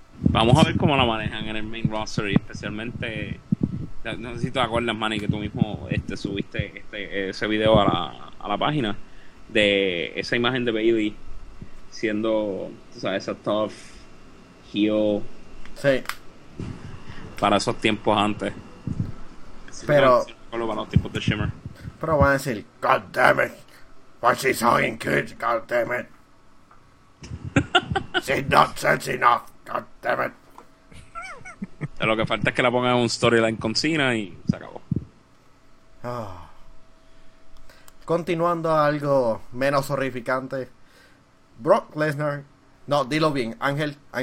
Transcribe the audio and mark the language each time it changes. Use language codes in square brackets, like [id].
[es] Vamos a ver cómo la manejan en el main roster, y especialmente necesito acordar, Manny, que tú mismo subiste ese video a la página. De esa imagen de Bayley siendo, o sea, esa tough heel. Sí. Para esos tiempos antes. Pero. Para los tiempos de Shimmer. Pero van a decir, [en] God damn it. But she's hugging kids, God damn it. She's not sense enough, God damn it. [es] Pero lo que falta es que la pongan en un storyline con Cena y se acabó. Ah. Continuando a algo menos horrificante, Brock Lesnar, no, dilo bien, Ángel.